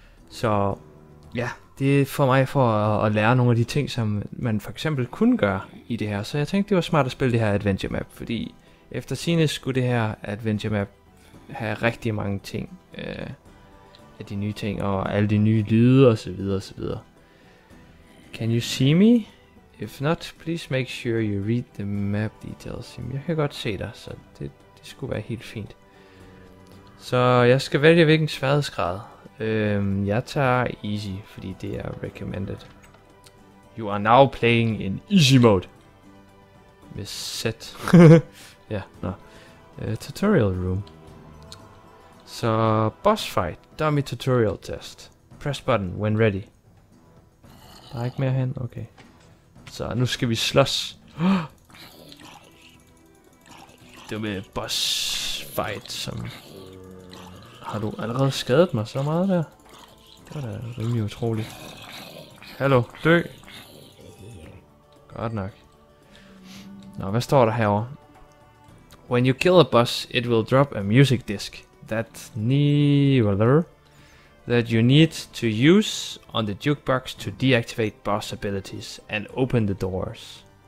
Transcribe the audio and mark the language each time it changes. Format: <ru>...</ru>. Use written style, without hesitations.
<da>Så ja, det er for mig for at lære nogle af de ting, som man for eksempel kunne gøre i det her. Så jeg tænkte, det var smart at spille det her adventure map, fordi efter sigende skulle det her adventure map have rigtig mange ting af de nye ting og alle de nye lyde og så videre og så videre.</da> <en>Can you see me? If not, please make sure you read the map details.</en> <da>Jamen, jeg kan godt se dig, så det skulle være helt fint. Så jeg skal vælge hvilken sværhedsgrad. Jeg tager easy, fordi det er recommended.</da> <en>You are now playing in easy mode.</en> <da>Med set. Ja, nå.</da> <en>Tutorial room. Så boss fight, dummy tutorial test. Press button when ready.</en> <da>Der er ikke mere hen, okay. Så nu skal vi slås.</da> <en>Dummy boss fight,</en> <da>som... Har du allerede skadet mig så meget der? Det var da rimelig utroligt. Hallo, dø! Godt nok. Nå, hvad står der herovre?</da> <en>When you kill a boss, it will drop a music disc. That needler that you need to use on the jukebox to deactivate boss abilities and open the doors.</en>